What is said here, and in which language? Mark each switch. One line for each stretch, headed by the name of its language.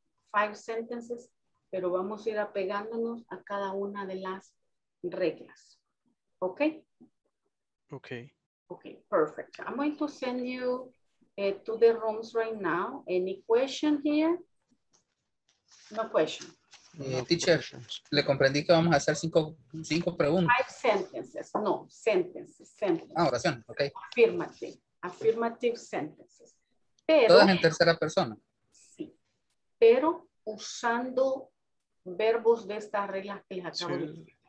English: Five sentences,
Spanish: pero vamos a ir apegándonos a cada una de las reglas.
English: Okay? Okay. Okay, perfect. I'm going to send you to the rooms right now. Any question here? No question.
Spanish: Teacher, le comprendí que vamos a hacer cinco preguntas.
English: Five sentences. No, sentences.
Spanish: Ah, oración. Okay.
English: Affirmative sentences.
Spanish: Pero, todas en tercera persona. Sí. Pero usando verbos de estas reglas que les acabo de decir.